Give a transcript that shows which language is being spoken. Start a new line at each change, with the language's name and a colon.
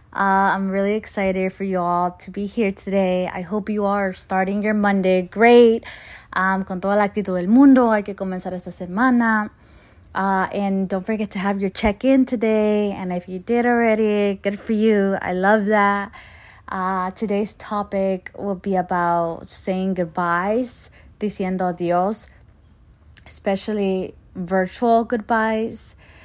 English: I'm really excited for you all to be here today. I hope you are starting your Monday great.
Spanish: Con toda la actitud del mundo, hay que comenzar esta semana.
English: And don't forget to have your check-in today. And if you did already, good for you. I love that. Today's topic will be about saying goodbyes,
Spanish: diciendo adiós.
English: Especially virtual goodbyes.